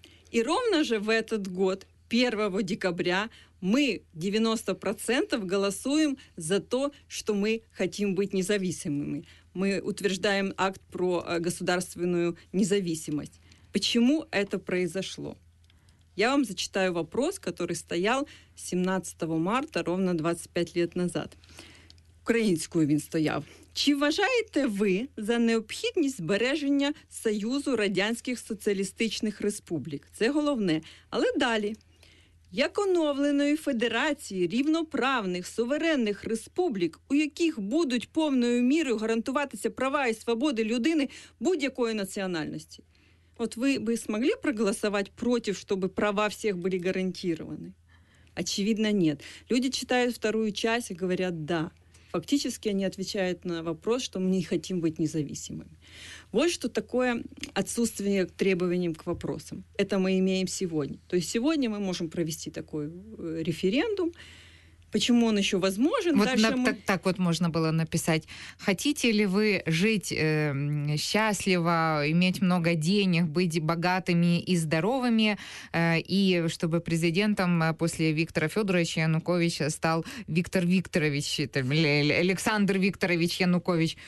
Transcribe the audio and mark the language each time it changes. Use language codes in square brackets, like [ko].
[ru] И ровно же в этот год, 1 декабря, мы 90% голосуем за то, что мы хотим быть независимыми. Мы утверждаем акт про государственную независимость. Почему это произошло? Я вам зачитаю вопрос, который стоял 17 марта, ровно 25 лет назад. [uk] Українською він стояв. Чи вважаєте ви за необхідність збереження Союзу Радянських Соціалістичних Республік? Це головне. Але далі. Як оновленої федерації рівноправних суверенних республік, у яких будуть повною мірою гарантуватися права і свободи людини будь-якої національності? От ви би змогли проголосувати проти, щоб права всіх були гарантовані? Очевидно, ні. Люди читають вторую частину і говорять «да». [ru] Фактически они отвечают на вопрос, что мы не хотим быть независимыми. Вот что такое отсутствие требований к вопросам. Это мы имеем сегодня. То есть сегодня мы можем провести такой референдум. Почему он еще возможен? Вот так вот можно было написать. Хотите ли вы жить счастливо, иметь много денег, быть богатыми и здоровыми, и чтобы президентом после Виктора Федоровича Януковича стал Виктор Викторович, Александр Викторович Янукович?